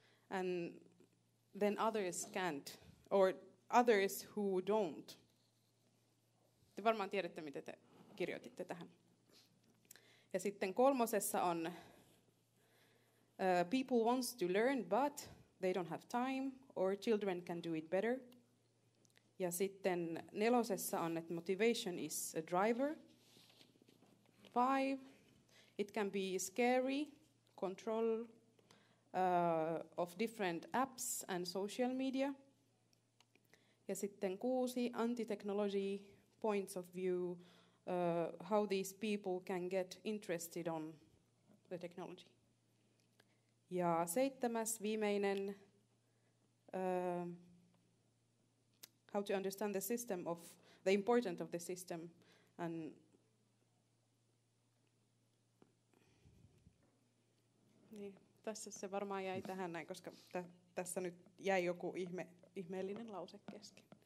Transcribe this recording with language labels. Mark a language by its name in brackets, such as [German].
[English] And then others can't, or others who don't. [Finnish] Te varmaan tiedätte, mitä te kirjoititte tähän. Ja sitten kolmosessa on, [English] people wants to learn, but they don't have time, or children can do it better. [Finnish] Ja sitten nelosessa on, että [English] motivation is a driver. 5, it can be scary, control of different apps and social media. [Finnish] Ja sitten [English] 6, anti-technology, points of view, how these people can get interested on the technology. [Finnish] Ja 7, viimeinen, [English] how to understand the system of the importance of the system and [Finnish] niin, tässä se varmaan jäi tähän näin, koska tässä nyt jäi joku ihmeellinen lause kesken.